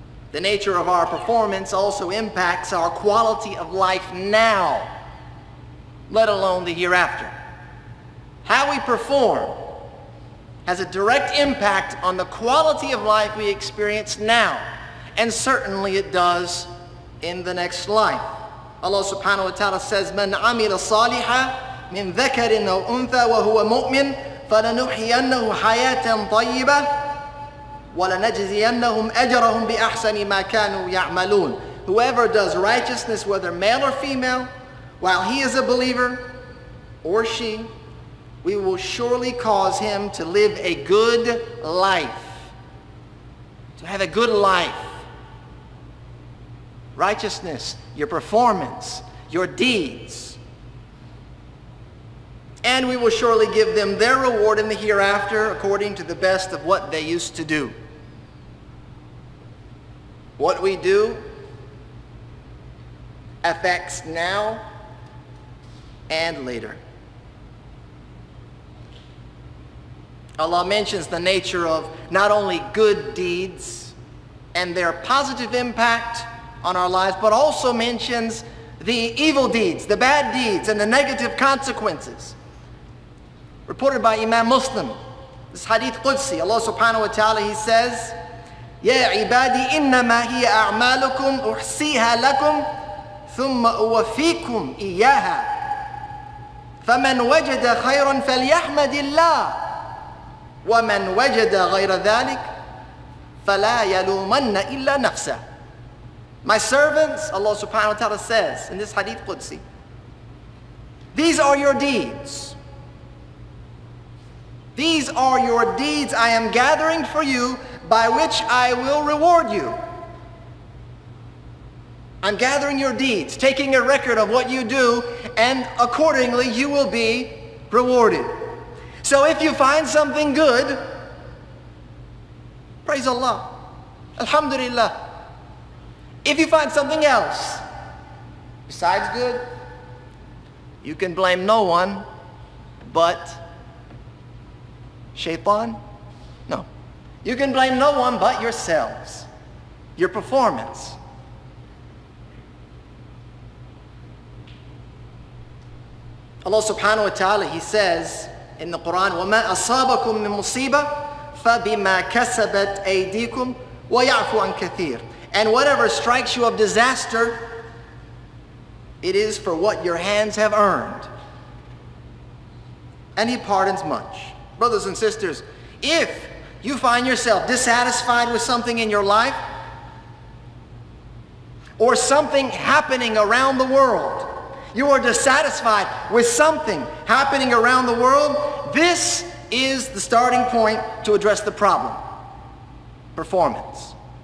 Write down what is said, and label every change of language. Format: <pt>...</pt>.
<en>The nature of our performance also impacts our quality of life now, let alone the hereafter. How we perform has a direct impact on the quality of life we experience now, and certainly it does in the next life. Allah subhanahu wa ta'ala says,</en> <ar>مَنْ عَمِلَ صَالِحًا مِنْ ذَكَرٍ أَوْ أُنْثَى وَهُوَ مُؤْمِنٍ فَلَنُحْيِيَنَّهُ حَيَاةً طَيِّبَةً وَلَنَجْزِيَنَّهُمْ أَجْرَهُمْ بِأَحْسَنِ مَا كَانُوا يَعْمَلُونَ.</ar> <en>Whoever does righteousness, whether male or female, while he is a believer or she, we will surely cause him to live a good life. To have a good life. Righteousness, your performance, your deeds. And we will surely give them their reward in the hereafter according to the best of what they used to do. What we do affects now and later. Allah mentions the nature of not only good deeds and their positive impact on our lives, but also mentions the evil deeds, the bad deeds, and the negative consequences. Reported by Imam Muslim, this hadith Qudsi, Allah subhanahu wa ta'ala, He says,</en> <ar>يَا عِبَادِي إِنَّمَا هِيَ أَعْمَالُكُمْ أُحْسِيهَا لَكُمْ ثُمَّ أُوَفِيكُمْ إِيَّاهَا فَمَنْ وَجَدَ خَيْرٌ فَلْيَحْمَدِ اللَّهِ وَمَنْ وَجَدَ غَيْرَ ذَلِكَ فَلَا يَلُومَنَّ إِلَّا نَفْسَهُ.</ar> <en>My servants, Allah subhanahu wa ta'ala says in this hadith Qudsi, these are your deeds. These are your deeds I am gathering for you, by which I will reward you. I'm gathering your deeds, taking a record of what you do, and accordingly you will be rewarded. So if you find something good, praise Allah, alhamdulillah. If you find something else besides good, You can blame no one but Shaitan? No. You can blame no one but yourselves, your performance. Allah subhanahu wa ta'ala, He says in the Quran,</en> <ar>وَمَا أَصَابَكُم مِّن مُصِيبَةٍ فَبِمَا كَسَبَتْ أَيْدِيكُمْ وَيَعْفُ عَن كَثِيرٍ.</ar> <en>And whatever strikes you of disaster, it is for what your hands have earned. And He pardons much. Brothers and sisters, if you find yourself dissatisfied with something in your life, or something happening around the world, you are dissatisfied with something happening around the world, this is the starting point to address the problem. Performance.</en>